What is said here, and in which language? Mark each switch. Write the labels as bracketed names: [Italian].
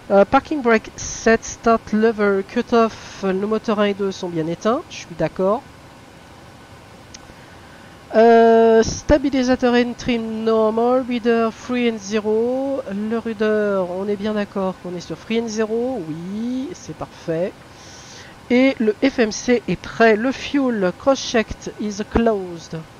[English] Parking brake set, start lever, cut off. [French] Le moteur 1 et 2 sont bien éteints, je suis d'accord. [English] Stabilisateur entry normal, rudder free and zero. [French] Le rudder, on est bien d'accord qu'on est sur [English] free and zero. [French] Oui, c'est parfait. Et le FMC est prêt. [English] Le fuel cross-checked is closed.